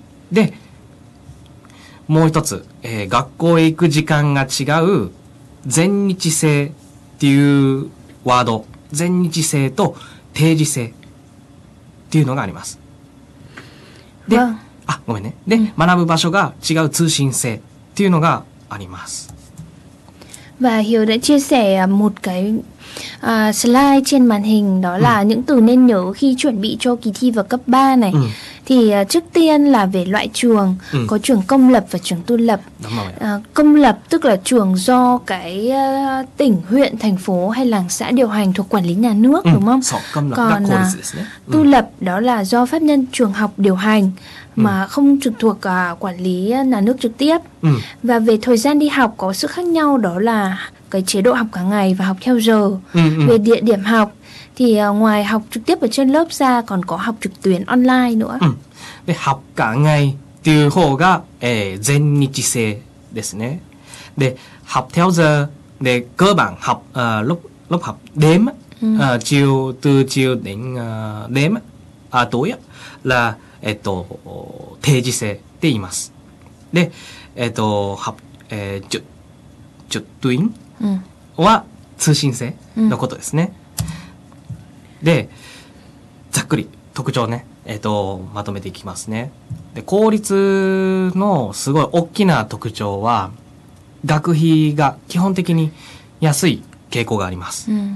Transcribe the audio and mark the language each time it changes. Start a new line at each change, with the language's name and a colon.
Japanese: でもう一つ、学校へ行く時間が違う全日制っていうワード、全日制と定時制っていうのがあります。で、あ、ごめんね。で、うん、学ぶ場所が違う通信制っていうのがあります。
Vietnamese: Và Hiếu đã chia sẻ một cái slide trên màn hình, đó là những từ nên nhớ khi chuẩn bị cho kỳ thi vào cấp 3 này. Thì trước tiên là về loại trường, có trường công lập và trường tư lập. Công lập tức là trường do cái tỉnh, huyện, thành phố hay làng xã điều hành thuộc quản lý nhà nước, đúng không? Còn tư lập đó là do pháp nhân trường học điều hành mà không trực thuộc quản lý nhà nước trực tiếp. Và về thời gian đi học có sự khác nhau, đó là cái chế độ học cả ngày và học theo giờ. Về địa điểm học thì ngoài học trực tiếp ở trên lớp ra còn có học trực tuyến online nữa. Để học cả ngày thì họ là
Japanese: zen nichi se desu ne.
Vietnamese: Để học theo giờ, để cơ bản học lúc học đêm chiều, từ chiều đến đêm tối là
Japanese: teiji se te imasu.
Vietnamese: Để học trực tuyến
Japanese: は通信制のことですね。で、ざっくり特徴ね、まとめていきますね。で、公立のすごい大きな特徴は、学費が基本的に安い傾向があります。